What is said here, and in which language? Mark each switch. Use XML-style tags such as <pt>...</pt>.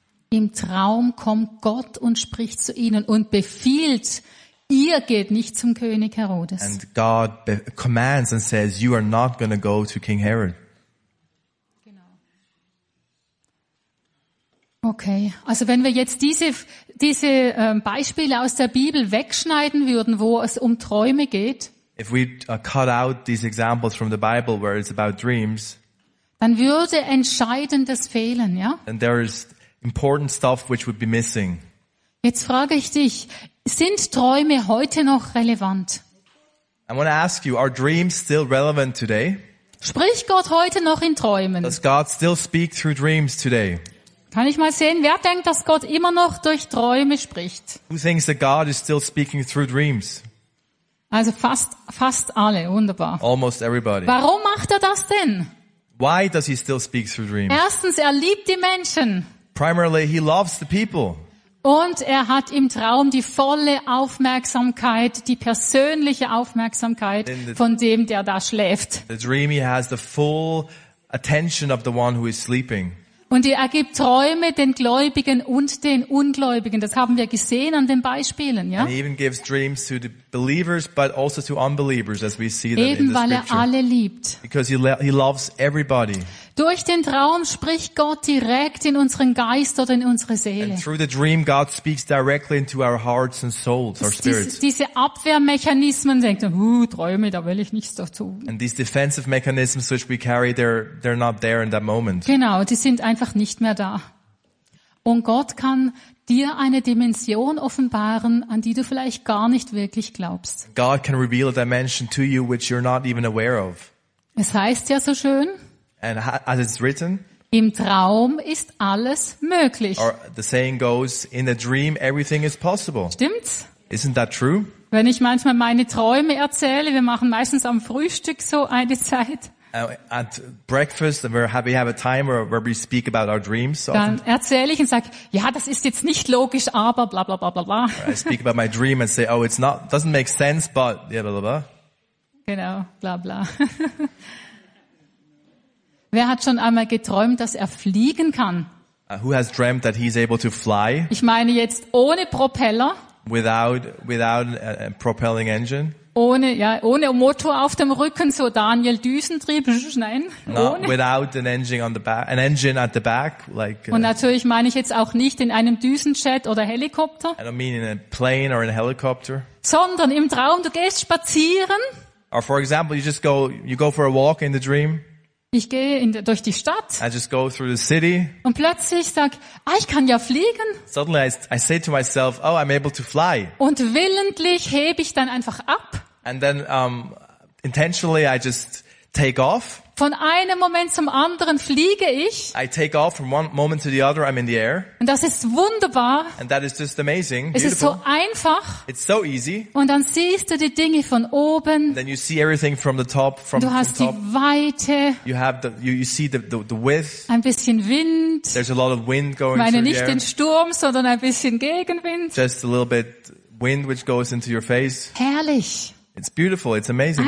<de>Im Traum kommt Gott und spricht zu ihnen und befiehlt, ihr geht nicht zum König Herodes.</de> <en>And God commands and says, you are not going to go to King Herod.</en> <de>Genau. Okay, also wenn wir jetzt diese Beispiele aus der Bibel wegschneiden würden, wo es um Träume geht,</de> <en>if we cut out these examples from the Bible where it's about dreams,</en> <de>dann würde Entscheidendes fehlen, ja?</de> <en>And there is important stuff which would be missing.</en> <de>Jetzt frage ich dich, sind Träume heute noch relevant?</de> <en>I want to ask you, are dreams still relevant today?</en> <de>Spricht Gott heute noch in Träumen?</de> <en>Does God still speak through dreams today?</en> <de>Kann ich mal sehen, wer denkt, dass Gott immer noch durch Träume spricht?</de> <en>Who thinks that God is still speaking through dreams?</en> <de>Also fast alle, wunderbar.</de> <en>Almost everybody.</en> <de>Warum macht er das denn?</de> <en>Why does he still speak through dreams?</en> <de>Erstens, er liebt die Menschen.</de> <en>Primarily, he loves the people.</en> <de>Und er hat im Traum die volle Aufmerksamkeit, die persönliche Aufmerksamkeit von dem, der da schläft.</de> <en>The dream, he has the full attention of the one who is sleeping.</en> <de>Und er gibt Träume den Gläubigen und den Ungläubigen. Das haben wir gesehen an den Beispielen, ja?</de> <en>And he even gives dreams to the believers, but also to unbelievers, as we see them</en> <de>eben,</de> <en>in the scripture.</en> <de>Eben, weil er alle liebt.</de> <en>Because he loves everybody.</en> <de>Durch den Traum spricht Gott direkt in unseren Geist oder in unsere Seele.</de> <en>And through the dream, God speaks directly into our hearts and souls, our spirits.</en> <de>Diese Abwehrmechanismen, denkt man, Träume, da will ich nichts dazu.</de> <en>And these defensive mechanisms, which we carry, they're not there in that moment.</en> <de>Genau, die sind einfach nicht mehr da. Und Gott kann dir eine Dimension offenbaren, an die du vielleicht gar nicht wirklich glaubst.</de> <en>God can reveal a dimension to you, which you're not even aware of.</en> <de>Es heißt ja so schön.</de> <en>And as it's written,</en> <de>im Traum ist alles möglich.</de> <en>Or the saying goes, in a dream everything is possible.</en> <de>Stimmt's?</de> <en>Isn't that true?</en> <de>Wenn ich manchmal meine Träume erzähle, wir machen meistens am Frühstück so eine Zeit.</de> <en>At breakfast, we have a time where we speak about our dreams. Often.</en> <de>Dann erzähle ich und sage, ja, das ist jetzt nicht logisch, aber bla bla bla bla bla.</de> <en>I speak about my dream and say, oh, it's not, doesn't make sense, but yeah, bla bla bla.</en> <de>Genau, bla bla. Wer hat schon einmal geträumt, dass er fliegen kann?</de> <en>Who has dreamt that he's able to fly?</en> <de>Ich meine jetzt ohne Propeller.</de> <en>Without a propelling engine.</en> <de>Ohne Motor auf dem Rücken, so Daniel Düsentrieb. Nein.</de> <en>Without an engine on the back, an engine at the back, like.</en> <de>Und natürlich meine ich jetzt auch nicht in einem Düsenjet oder Helikopter.</de> <en>I don't mean in a plane or in a helicopter.</en> <de>Sondern im Traum, du gehst spazieren.</de> <en>Or for example, you go for a walk in the dream.</en> <de>Ich gehe durch die Stadt.</de> <en>I just go through the city.</en> <de>Und plötzlich sag, ich kann ja fliegen.</de> <en>Suddenly I say to myself, oh, I'm able to fly.</en> <de>Und willentlich hebe ich dann einfach ab.</de> <en>And then intentionally I just take off.</en> <de>Von einem Moment zum anderen fliege ich.</de> <en>I take off from one moment to the other, I'm in the air.</en> <de>Und das ist wunderbar.</de> <en>And that is just amazing.</en> <de>Es</de> <en>beautiful.</en> <de>Ist so einfach.</de> <en>It's so easy.</en> <de>Und dann siehst du die Dinge von oben.</de> <en>And then you see everything from the top. From,</en> <de>du hast</de> <en>from top.</en> <de>Die Weite.</de> <en>You have you see the width.</en> <de>Ein bisschen Wind.</de> <en>There's a lot of wind going through the air.</en> <de>Meine nicht den Sturm, sondern ein bisschen Gegenwind.</de> <en>Just a little bit wind which goes into your face.</en> <de>Herrlich.</de> <en>It's beautiful, it's amazing.</en>